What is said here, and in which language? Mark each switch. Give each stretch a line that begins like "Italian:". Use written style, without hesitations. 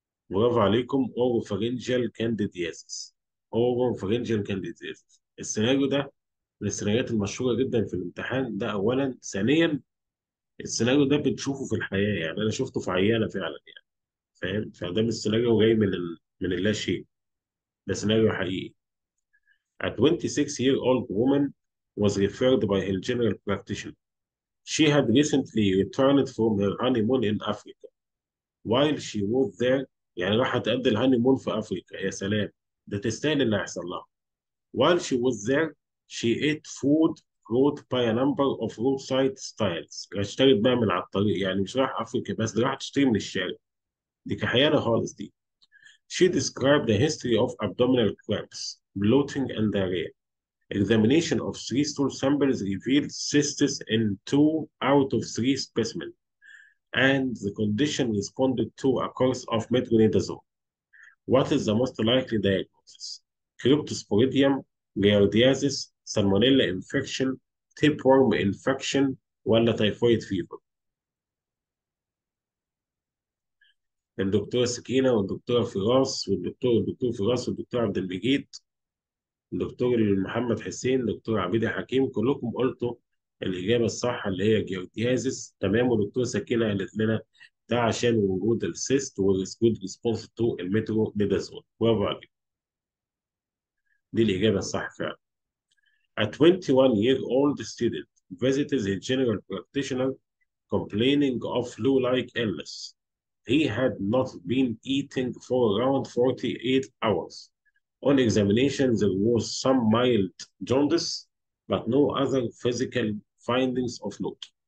Arabic: برافو عليكم. اوروفارينجيال كانديدياسيس، اوروفارينجيال كانديدياسيس. السيناريو ده من السيناريوهات المشهوره جدا في الامتحان ده اولا. ثانيا السيناريو ده بتشوفه في الحياه، يعني انا شفته في عياله فعلا يعني، فاهم؟ فده من السيناريو جاي من لا شيء، ده سيناريو حقيقي.
English: A 26-year-old woman was referred by her general practitioner. She had recently returned from her honeymoon in Africa. While she was there,
Arabic: يعني راح تقضي الهاني مون في افريقيا، يا سلام ده تستاهل اللي هيحصل لها.
English: While she was there she ate food route by number of roadside stalls,
Arabic: اشتريت بقى من على الطريق، يعني مش راح افريقيا بس، راح تشتري من الشارع. دي كحيانه خالص دي.
English: She described the history of abdominal cramps, bloating and diarrhea. Examination of three stool samples revealed cystis in two out of three specimens, and the condition responded to a course of metronidazole. What is the most likely diagnosis? Cryptosporidium, giardiasis, salmonella infection, tapeworm infection, ولا typhoid fever؟
Arabic: الدكتورة سكينة والدكتورة فراس والدكتور الدكتور فراس والدكتور عبد المجيد الدكتور محمد حسين الدكتور عبيد الحكيم كلكم قلتوا الإجابة الصح اللي هي جيوردياسيس، تمام. والدكتورة سكينة قالت لنا ده عشان وجود السيست
English: والجود response to المترو ديدازول.
Arabic: برافو عليك، دي الإجابة الصح فعلا.
English: A 21 year old student visited his general practitioner complaining of flu-like illness. He had not been eating for around 48 hours. On examination, there was some mild jaundice, but no other physical findings of note.